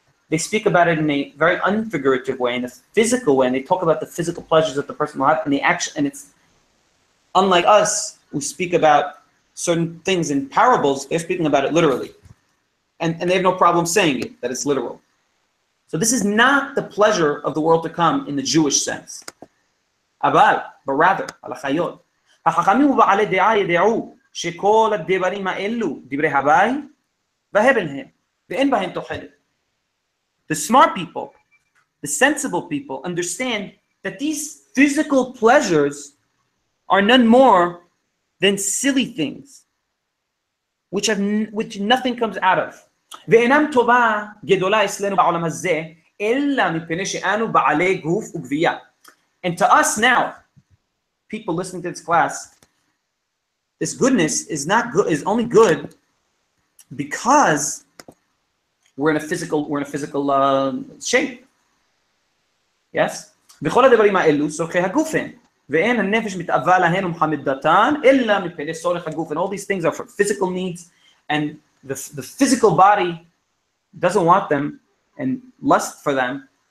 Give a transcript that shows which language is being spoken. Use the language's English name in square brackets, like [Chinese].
[English] They speak about it in a very unfigurative way, in a physical way, and they talk about the physical pleasures that the person will have, and it's unlike us, who speak about certain things in parables. They're speaking about it literally, and they have no problem saying it, that it's literal. So this is not the pleasure of the world to come in the Jewish sense, but rather alachayot. [Hebrew] החכמים ובעלי דעה ידעו שכל הדברים האלו דברי הוואי והבל הם ואין בהם תוחלת. [English] The smart people, the sensible people, understand that these physical pleasures are none more than silly things which nothing comes out of. [Hebrew] ואינם טובה גדולה אצלנו בעולם הזה אלא מפני שאנו בעלי גוף וגבייה. [English] And to us now, people listening to this class, this goodness is not good, is only good because we're in a physical shape. Yes? And all these things are for physical needs, and the physical body doesn't want them and lust for them.